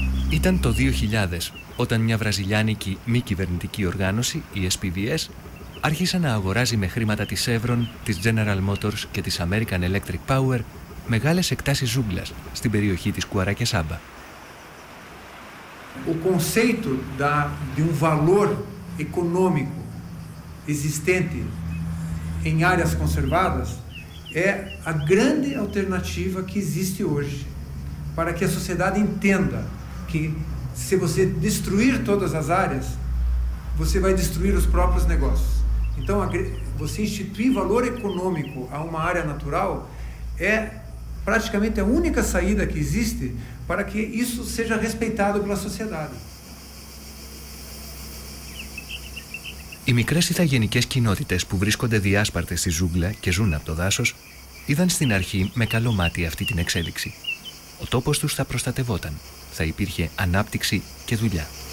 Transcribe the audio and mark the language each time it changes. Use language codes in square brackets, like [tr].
[el] Ήταν το 2000 όταν μια βραζιλιάνικη μη κυβερνητική οργάνωση, η SPVS, άρχισε να αγοράζει με χρήματα της Chevron, της General Motors και της American Electric Power μεγάλες εκτάσεις ζούγκλας στην περιοχή της Κουαρά και Σάμπα. [pt] Ο conceito de um valor econômico existente em áreas conservadas é a grande alternativa que existe hoje para que a sociedade entenda que se você destruir todas as áreas, você vai destruir os próprios negócios. Então, você instituir valor econômico a uma área natural é praticamente a única saída que existe para que isso seja respeitado pela sociedade. [el] Οι μικρές ηθαγενικές κοινότητες που βρίσκονται διάσπαρτες στη ζούγκλα και ζουν από το δάσος είδαν στην αρχή με καλό μάτι αυτή την εξέλιξη. Ο τόπος τους θα προστατευόταν. θα υπήρχε ανάπτυξη και δουλειά.